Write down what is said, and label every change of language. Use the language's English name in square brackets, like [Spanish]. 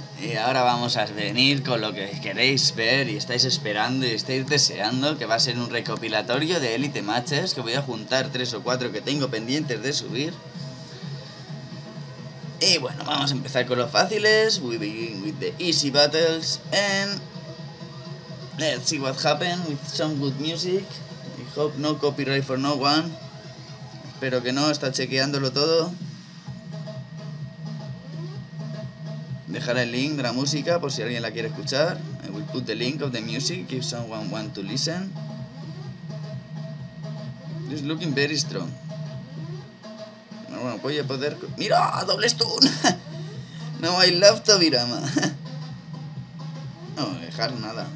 [Spanish] Y ahora vamos a venir con lo que queréis ver y estáis esperando y estáis deseando, que va a ser un recopilatorio de Elite Matches, que voy a juntar 3 o 4 que tengo pendientes de subir. Y bueno, vamos a empezar con los fáciles. [English] We begin with the easy battles and let's see what happened with some good music. I hope no copyright for no one. [Spanish] Espero que no, está chequeándolo todo. Dejaré el link de la música por si alguien la quiere escuchar. [English] I will put the link of the music if someone wants to listen. It's looking very strong. [Spanish] No, bueno, voy a poder... ¡Mira! ¡Doble stun! No, [English] I love Tobirama. [Spanish] No voy a dejar nada.